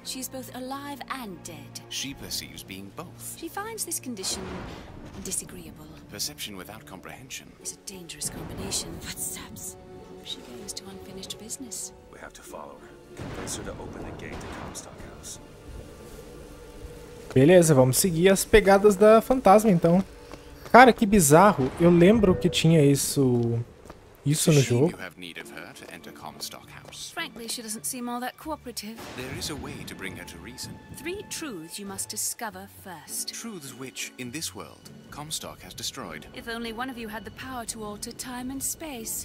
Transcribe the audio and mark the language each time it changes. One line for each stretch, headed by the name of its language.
English: She is both alive and dead. She perceives being both. She finds this condition disagreeable. Perception without comprehension is a dangerous combination. Footsteps. She goes to unfinished business. We have to follow her. Convince her to open the gate to Comstock House.
Portuguese: Beleza, vamos seguir as pegadas da fantasma então. Cara, que bizarro. Eu lembro que tinha isso no jogo.
English: You have need of her to enter Comstock House. Frankly, she doesn't seem all that cooperative. There is a way to bring her to reason. Three truths you must discover first. Truths which, in this world, Comstock has destroyed. If only one of you had the power to alter time and space.